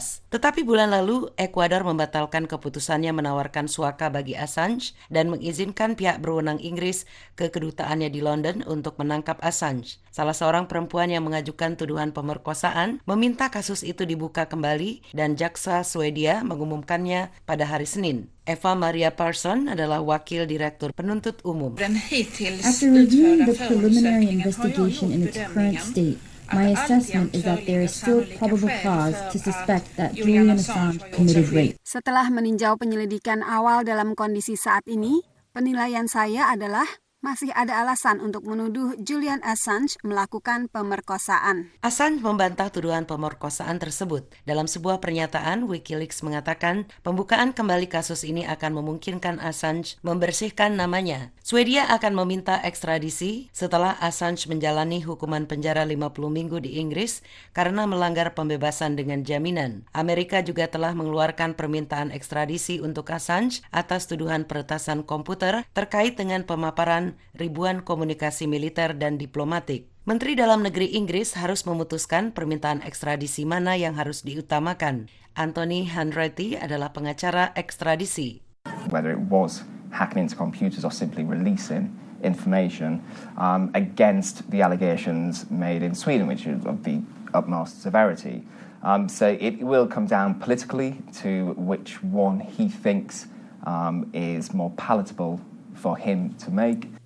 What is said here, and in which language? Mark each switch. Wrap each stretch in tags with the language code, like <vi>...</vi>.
<id>Tetapi bulan lalu, Ekuador membatalkan keputusannya menawarkan suaka bagi Assange dan mengizinkan pihak berwenang Inggris ke kedutaannya di London untuk menangkap Assange. Salah seorang perempuan yang mengajukan tuduhan pemerkosaan meminta kasus itu dibuka kembali dan Jaksa Swedia mengumumkannya pada hari Senin. Eva Maria Persson adalah wakil direktur penuntut umum.</id> <en>After reviewing the preliminary investigation in its current state, my assessment is that there is still probable cause to suspect that Julian Assange committed rape.</en> <id>Setelah meninjau penyelidikan awal dalam kondisi saat ini, penilaian saya adalah masih ada alasan untuk menuduh Julian Assange melakukan pemerkosaan. Assange membantah tuduhan pemerkosaan tersebut. Dalam sebuah pernyataan, WikiLeaks mengatakan pembukaan kembali kasus ini akan memungkinkan Assange membersihkan namanya. Swedia akan meminta ekstradisi setelah Assange menjalani hukuman penjara 50 minggu di Inggris karena melanggar pembebasan dengan jaminan. Amerika juga telah mengeluarkan permintaan ekstradisi untuk Assange atas tuduhan peretasan komputer terkait dengan pemaparan ribuan komunikasi militer dan diplomatik. Menteri Dalam Negeri Inggris harus memutuskan permintaan ekstradisi mana yang harus diutamakan. Anthony Hanratty adalah pengacara ekstradisi.</id> <en>Whether it was hacking into computers or simply releasing information against the allegations made in Sweden, which is of the utmost severity. So it will come down politically to which one he thinks is more palatable for him to make.</en>